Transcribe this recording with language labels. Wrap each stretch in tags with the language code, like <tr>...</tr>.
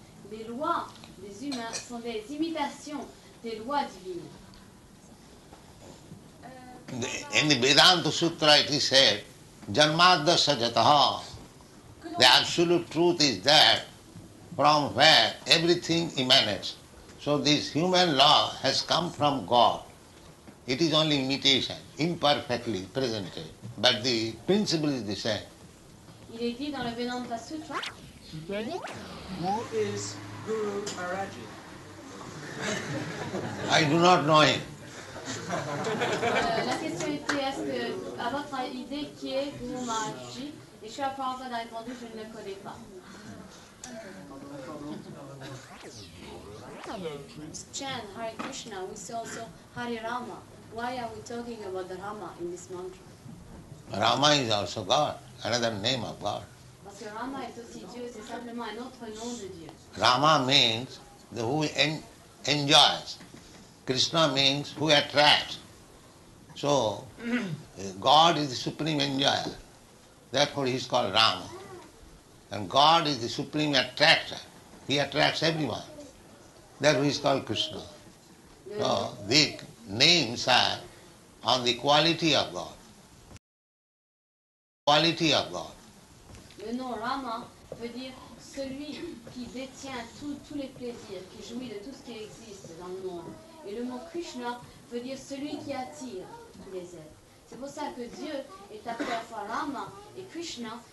<fr>Les lois des humains sont des imitations des lois divines.</fr> <en>In the Vedanta Sutra it is said, Janmadasa Jataha. The absolute truth is that from where everything emanates. So this human law has come from God. It is only imitation, imperfectly presented. But the principle is the same.</en> <fr>Il est dit dans le Vedanta Sutra.</fr> <en>What is Guru Maharaj? I do not know him.</en> <fr>La question était, est-ce que, à votre idée, qui est Guru Maharaj? Et je suis la première fois d'avoir répondu, je ne le connais pas.</fr> <en>Chan, Hare Krishna, we see also Hare Rama. Why are we talking about the Rama in this mantra? Rama is also God, another name of God.</en> <fr>Parce que Rama est aussi Dieu, c'est simplement un autre nom de Dieu.</fr> <en>Rama means the who enjoys. Krishna means who attracts. So, God is the supreme enjoyer. Therefore, he is called Rama. And God is the supreme attractor. He attracts everyone. Therefore, he is called Krishna. So, the names are on the quality of God. Quality of God.</en> <fr>Le nom Rama veut dire celui qui détient tous les plaisirs, qui jouit de tout ce qui existe dans le monde. Et le mot Krishna veut dire celui qui attire tous les êtres. C'est pour ça que Dieu est appelé à la fois Rama et Krishna.</fr>